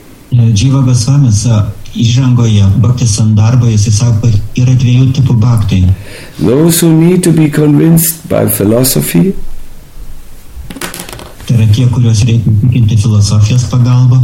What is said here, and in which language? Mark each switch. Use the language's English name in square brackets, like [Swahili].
[Lithuanian] Jiva Goswami Ižangoje Bhakti Sandarbha jis sako, yra dviejų tipų bhakti. [English] Those who need to be convinced by philosophy. [Lithuanian] Tai yra tie, kuriuos reikia įtikinti filosofijos pagalba.